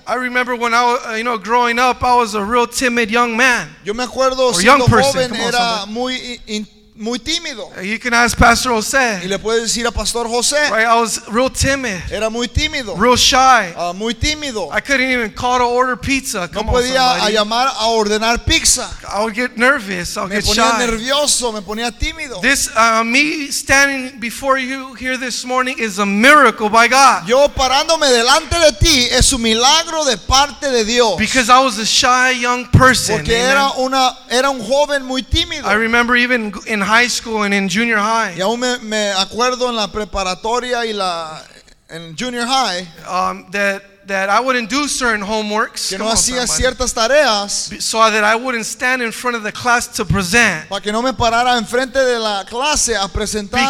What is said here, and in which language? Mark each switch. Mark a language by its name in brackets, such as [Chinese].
[English] I remember when I was, you know, growing up, I was a real timid young man. [Spanish] Yo me acuerdo siendo joven era muy muy tímido. [English] You can ask Pastor Jose. [Spanish] Y le puedes decir a Pastor Jose. [English] Right, I was real timid. [Spanish] Era muy tímido. [English] Real shy. [Spanish] Muy tímido. [English] I couldn't even call to order pizza. [Spanish] No podía a llamar a ordenar pizza. [English] I would get nervous. [Spanish] Me ponía nervioso. Me ponía tímido. [English] This me standing before you here this morning is a miracle by God. [Spanish] Yo parándome delante de ti es un milagro de parte de Dios. [English] Because I was a shy young person. [Spanish] Porque era un joven muy tímido. [English] I remember even in high school and in junior high. [Spanish] Y aún me acuerdo en la preparatoria y la en [English] junior high. That I wouldn't do certain homeworks. [Spanish] Que no hacía ciertas tareas. [English] So that I wouldn't stand in front of the class to present. [Spanish] Para que no me parara enfrente de la clase a presentarlo.